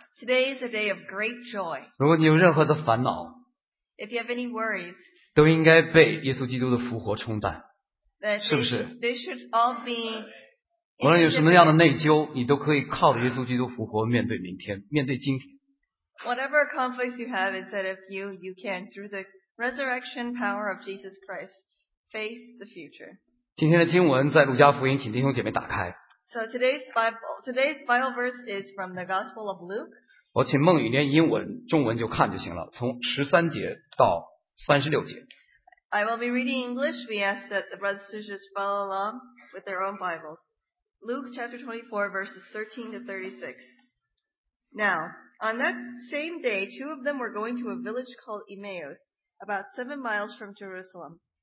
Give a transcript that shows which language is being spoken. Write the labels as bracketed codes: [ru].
[en] Today is a day of great joy. [zh] 如果你有任何的烦恼， [en] If you have any worries, [zh] 都应该被耶稣基督的复活冲淡， [en] they, [zh] 是不是？ [en] They should all be. [zh] 无论有什么样的内疚，你都可以靠着耶稣基督复活面对明天，面对今天。 [en] Whatever conflicts you have, instead of you, you can through the resurrection power of Jesus Christ face the future. [zh] 今天的经文在路加福音，请弟兄姐妹打开。 [en] So today's Bible verse is from the Gospel of Luke. [zh] 我请孟雨念英文，中文就看就行了。从13节到36节。 [en] I will be reading English. We ask that the brothers and sisters follow along with their own Bibles. Luke chapter 24, verses 13 to 36. Now, on that same day, two of them were going to a village called Emmaus, about 7 miles from Jerusalem.